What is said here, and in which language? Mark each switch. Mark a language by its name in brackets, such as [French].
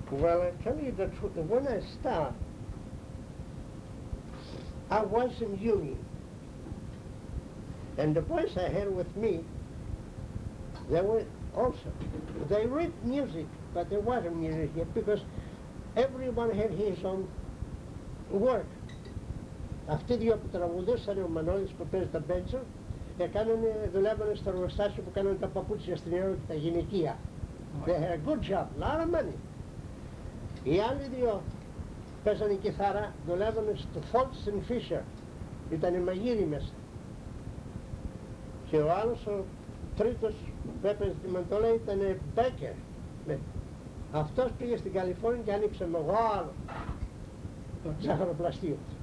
[English] Well, I tell you the truth, when I started, I was in union. And the boys I had with me, they were also, they read music, but there wasn't music yet because everyone had his own work. [Greek] Αυτή δύο που τραγουδούσαν ο Μανώλης που παίζει τα μπέντζο έκανανε, δουλεύανε στο εργοστάσιο που κάνανε τα παπούτσια στην Ελλάδα και τα γυναικεία. [English] They had a good job, a lot of money. [Greek] Οι άλλοι δύο παίζανε κιθάρα, δουλεύανε στο Fultz and Fisher. Ήτανε μαγείρι μέσα. Και ο άλλος, ο τρίτος που έπαιζε τη μαντολέ ήτανε Μπέκερ. Αυτός πήγε στην Καλιφόρνια και άνοιξε μεγάλο ζαχαροπλαστείο.